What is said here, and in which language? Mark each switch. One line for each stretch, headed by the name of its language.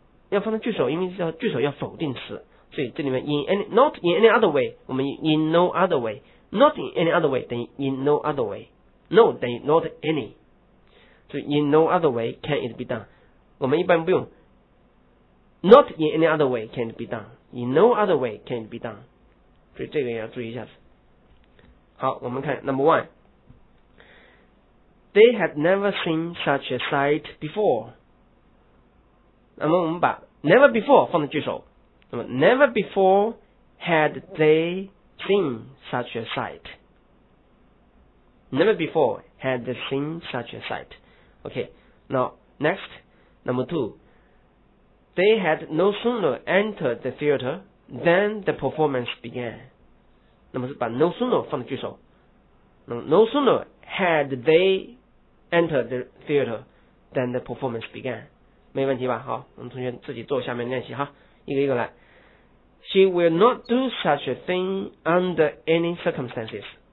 Chinese: 要放成句首，因为叫句首要否定词，所以这里面
English: in any not in any other way，
Chinese: 我们
English: in no other way， not in any other way
Chinese: 等于 in no other way，no 等于 not any。
English: So in no other way can it be done.
Chinese: 我们一般不用
English: Not in any other way can it be done. In no other way can it be done.
Chinese: 所以这个要注意一下子。好，我们看 number one.
English: They had never seen such a sight before.
Chinese: 那么我们把 never before 放在句首。
English: 那么 never before had they seen such a sight. Never before had they seen such a sight. Okay, now next, number two. They had no sooner entered the theater than the performance began.
Chinese: 那么是把 no sooner 放在句首。
English: No sooner had they entered the theater than the performance began.
Chinese: 没问题吧？好，我们同学自己做下面练习哈，一个一个来。
English: She will not do such a thing under any circumstances.